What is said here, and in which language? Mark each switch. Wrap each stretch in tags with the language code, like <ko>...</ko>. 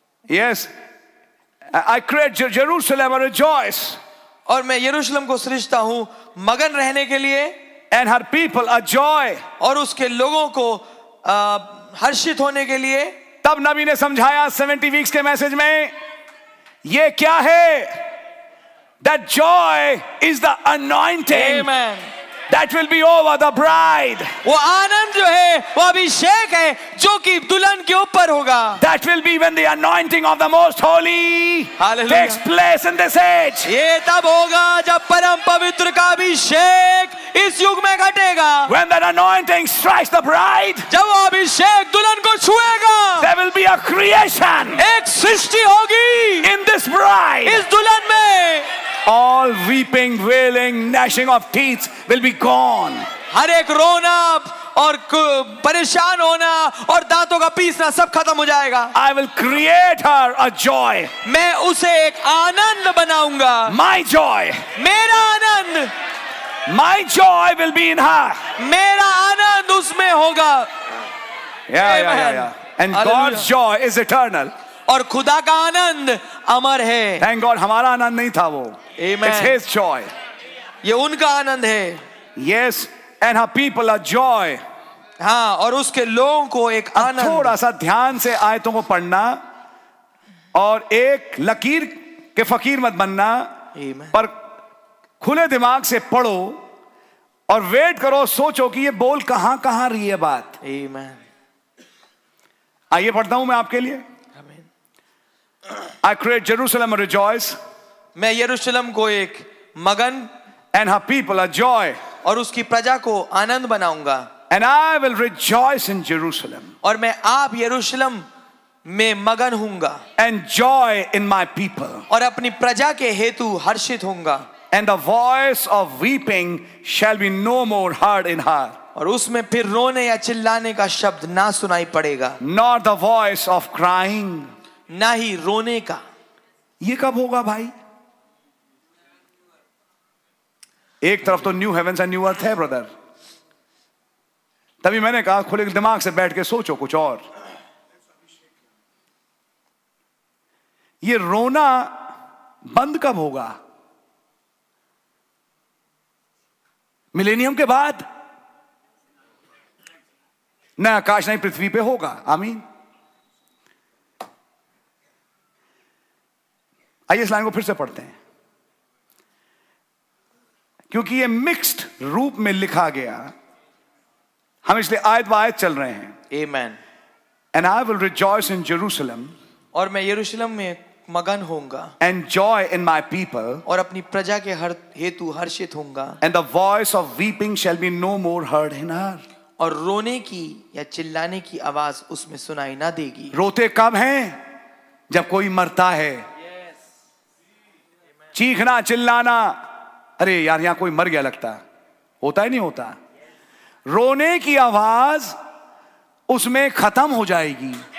<en>Yes. I create Jerusalem and rejoice.</en> <hi>और मैं यरूशलम को सृष्टा हूँ मगन रहने के लिए.</hi> <en>And her people a joy.</en> <hi>और उसके लोगों को हर्षित होने के लिए. तब नबी ने समझाया 70 वीक्स के मैसेज में ये क्या है.</hi> <en>That joy is the anointing. Amen. That will be over the bride.</en> <hi>वो आनंद जो है वो अभिषेक है जो कि दुल्हन के ऊपर होगा.</hi> <en>That will be when the anointing of the most holy takes place in this age.</en> <hi>ये तब होगा जब परम पवित्र का अभिषेक इस युग में घटेगा.</hi> <en>When that anointing strikes the bride,</en> <hi>जब अभिषेक दुल्हन को छुएगा,</hi> <en>there will be a creation.</en> <hi>एक सृष्टि होगी</hi> <en>in this bride.</en> <hi>इस दुल्हन में</hi> <en>All weeping, wailing, gnashing of teeth will be gone.</en> <hi>हर एक रोना और परेशान होना और दांतों का पीसना सब खत्म हो जाएगा.</hi> <en>I will create her a joy.</en> <hi>मैं उसे एक आनंद बनाऊंगा.</hi> <en>My joy.</en> <hi>मेरा आनंद.</hi> <en>My joy will be in her.</en> <hi>मेरा आनंद उसमें होगा.</hi> <en>Yeah, yeah, yeah, yeah. And Alleluia. God's joy is eternal.</en> <hi>और खुदा का आनंद अमर है. Thank God, हमारा आनंद नहीं था वो.</hi> <en>Amen. It's His joy.</en> <hi>ये उनका आनंद है.</hi> <en>Yes, and her people are joy.</en> <hi>हाँ, और उसके लोगों को एक आनंद. थोड़ा सा ध्यान से आयतों को पढ़ना और एक लकीर के फकीर मत बनना.</hi> <en>Amen.</en> <hi>पर खुले दिमाग से पढ़ो और वेट करो, सोचो कि ये बोल कहां कहां रही है बात.</hi> <en>Amen.</en> <hi>आइए पढ़ता हूं मैं आपके लिए.</hi> <en>I create Jerusalem a rejoice.</en> <hi>मैं यरूशलेम को एक मगन.</hi> <en>And her people a joy.</en> <hi>और उसकी प्रजा को आनंद बनाऊंगा.</hi> <en>And I will rejoice in Jerusalem.</en> <hi>और मैं आप यरूशलेम में मगन होऊंगा.</hi> <en>And joy in my people.</en> <hi>और अपनी प्रजा के हेतु हर्षित होऊंगा.</hi> <en>And the voice of weeping shall be no more heard in her.</en> <hi>और उसमें फिर रोने या चिल्लाने का शब्द ना सुनाई पड़ेगा.</hi> <en>Not the voice of crying.</en> <hi>ना ही रोने का. ये कब होगा भाई? एक तरफ तो न्यू हेवन एंड न्यू अर्थ है ब्रदर. तभी मैंने कहा खुले दिमाग से बैठ के सोचो कुछ और. ये रोना बंद कब होगा? मिलेनियम के बाद? नहीं, आकाश नहीं, पृथ्वी पे होगा. आमीन. आइए इस लाइन को फिर से पढ़ते हैं क्योंकि ये मिक्स्ड रूप में लिखा गया. हम इसलिए आयत बाय आयत चल रहे हैं.</hi> <en>Amen. And I will rejoice in Jerusalem.</en> <hi>और मैं यरूशलेम में मगन होऊंगा.</hi> <en>And joy in my people.</en> <hi>और अपनी प्रजा के हेतु हर्षित होऊंगा.</hi> <en>And the voice of weeping shall be no more heard in her.</en> <hi>और रोने की या चिल्लाने की आवाज उसमें सुनाई ना देगी. रोते कब हैं? जब कोई मरता है. चीखना चिल्लाना, अरे यार यहां कोई मर गया लगता होता ही नहीं होता. रोने की आवाज उसमें खत्म हो जाएगी.</hi>